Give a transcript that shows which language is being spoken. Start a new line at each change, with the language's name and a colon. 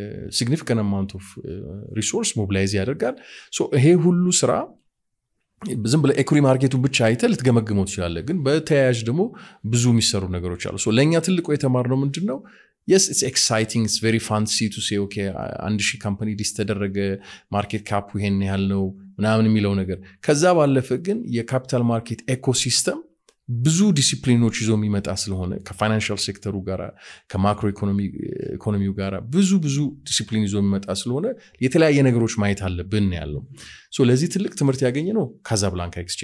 English: significant amount of resource mobilize
Amharic: ያደርጋል። so ይሄ ሁሉ ስራ ዝም ብለ ኤኩሪ ማርኬቱን ብቻ አይተ ልትገመግመው ትችላለ፣ ግን በተያያዥ ደግሞ ብዙ የሚሰሩ ነገሮች አሉ። so ለኛ ትልቁ የተማርነው ምንድነው?
English: Yes, it's exciting. It's very fancy to say, okay, and she company listed the market cap. We have no, because of the capital market ecosystem,
Amharic: ብዙ ዲሲፕሊኖች ይዞ የሚመጣ ስለሆነ ከፋይናንሻል ሴክተሩ ጋራ ከማክሮ ኢኮኖሚ ኢኮኖሚው ጋራ ብዙ ዲሲፕሊን ይዞ የሚመጣ ስለሆነ የተለያየ ነገሮች ማየት አለብን ያለው። ሶ ለዚህ ትልቅ ትምህርት ያገኘ ነው ካዛብላንካ